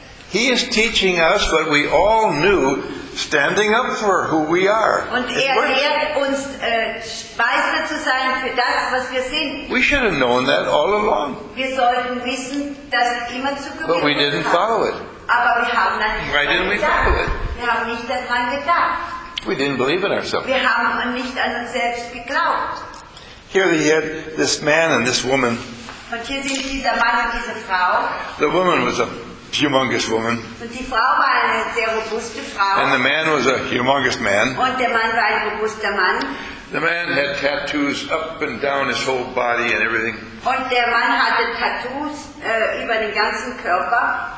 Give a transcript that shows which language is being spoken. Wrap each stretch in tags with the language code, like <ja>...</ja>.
<en>He is teaching us what we all knew, standing up for who we are.</en> <de>Und er lehrt uns, weiser zu sein für das, was wir sind.</de> <en>We should have known that all along.</en> <de>Wir sollten wissen, dass immer zu gewinnen.</de> <en>But we didn't follow it.</en> <de>Aber wir haben dann nicht</de> <en>Why didn't we</en> <de>gedacht.</de> <en>Follow it?</en> <de>Wir haben nicht daran gedacht.</de> <en>We didn't believe in ourselves.</en> <de>Wir haben nicht an uns selbst geglaubt.</de> <en>Here we had this man and this woman.</en> <de>Und hier sind dieser Mann und diese Frau.</de> <en>The woman was a humongous woman.</en> <de>Und die Frau war eine sehr robuste Frau.</de> <en>And the man was a humongous man.</en> <de>Und der Mann war ein robuster Mann.</de> <en>The man had tattoos up and down his whole body and everything.</en> <de>Und der Mann hatte Tattoos über den ganzen Körper.</de>